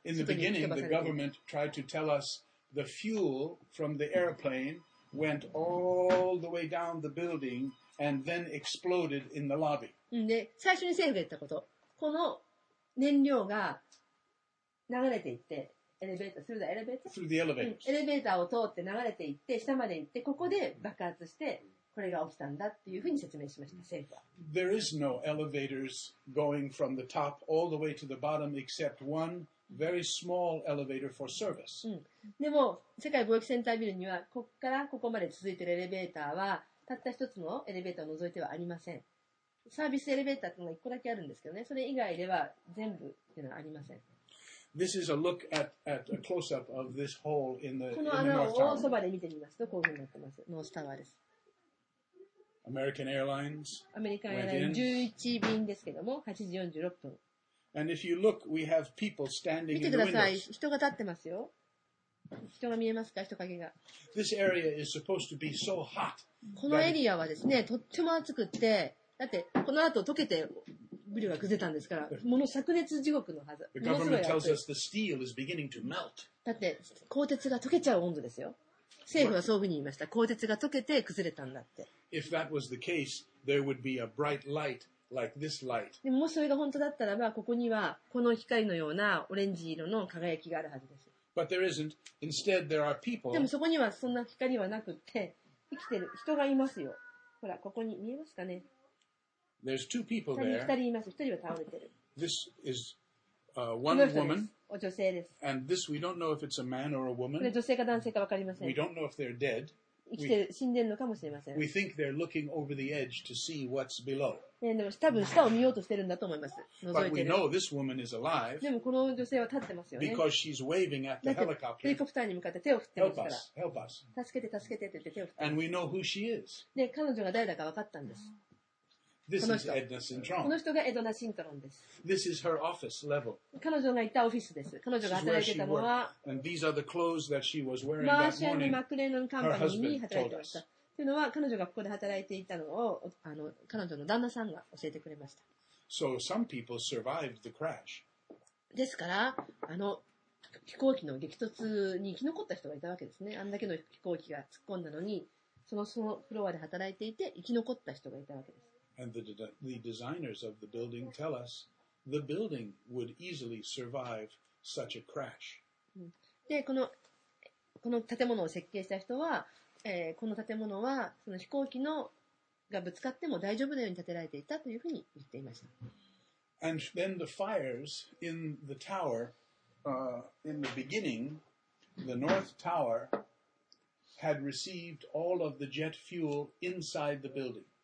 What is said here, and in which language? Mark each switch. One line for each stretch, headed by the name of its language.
Japanese: 外に吹き飛ばされている。
English: In the government tried to tell us the fuel from the airplane went all the way down the building and then exploded in the lobby.
Japanese: で、最初に政府が言ったこと、この燃料が流れていって、エレベーター、
English: through the elevator? Through the elevator.
Japanese: エレベーターを通って流れていって、下まで行って、ここで爆発して、これが起きたんだっていうふうに説明しました、政府は。
English: There is no elevators going from the top all the way to the bottom except one. Very small elevator for service.
Japanese: でも世界貿易センタービルにはここからここまで続いているエレベーターはたった一つのエレベーターを除いてはありません。サービスエレベーターというのが一個だけあるんですけどね、それ以外では全部というのはありません。
English: This is a look at a close up of this hole in the
Japanese: この穴をそばで見てみますとこういうふうになってます。ノースタワーです。
English: American Airlines
Japanese: アメリカンエアライン11便ですけども8時46分
English: And if you look, we have people standing in the windows.
Japanese: 見てください。人が立ってますよ。人が見えますか？人影が。
English: This area is supposed to be so hot.
Japanese: このエリアはですね、とっても暑くって、だってこの後溶けてビルが崩れたんですから、もの灼熱地獄のはず。
English: The government tells us the steel is beginning to melt.
Japanese: だって鋼鉄が溶けちゃう温度ですよ。政府はそういうふうに言いました。鋼鉄が溶けて崩れたんだって。
English: If that was the case, there would be a bright light. Like、this light.
Japanese: でももしそれが本当だったらば、ここにはこの光のようなオレンジ色の輝きがあるはずです。
English: But there isn't. Instead, there are people.
Japanese: でもそこにはそんな光はなくって、生きてる人がいますよ。ほら、ここに見えますかね。
English: There's two people there.
Japanese: 2人います。1人は倒れてる。
English: This is one woman.
Japanese: お女性です。
English: And this, we don't know if it's a man or a woman.
Japanese: これ女性か男性か分かりません。
English: We don't know if they're dead.
Japanese: 生きてる死んでるのかもしれません。
English: We think they're looking over the edge to see what's below.
Japanese: でも多分下を見ようとしてるんだと思います。覗いてる。
English: But we know this woman is alive.
Japanese: でもこの女性は立ってますよね。
English: Because she's waving at the helicopter.
Japanese: ヘリコプターに向かって手を振ってますから。
English: Help us, help us.
Japanese: 助けて助けてって言って手を振って。
English: And we know who she is.
Japanese: で彼女が誰だか分かったんです。
English: This is Edna Cintron.
Japanese: この人がエドナ・シントロンです。
English: This is her office level.
Japanese: 彼女がいたオフィスです。彼女が働いてたのは、
English: And these are the clothes that she was wearing that morning.
Japanese: マーシャル・マクレノン・カンパニーに働いてました。というのは、彼女がここで働いていたのを、彼女の旦那さんが教えてくれました。
English: So some people survived the crash.
Japanese: ですから、飛行機の激突に生き残った人がいたわけですね。あんだけの飛行機が突っ込んだのに、そのフロアで働いていて、生き残った人がいたわけです。
English: And the designers of the building tell us the building would easily survive such a crash.
Japanese: で、この建物を設計した人は、この建物はその飛行機のがぶつかっても大丈夫なように建てられていたというふうに言っていました。
English: And then the fires in the tower, in the beginning, the North Tower had received all of the jet fuel inside the building.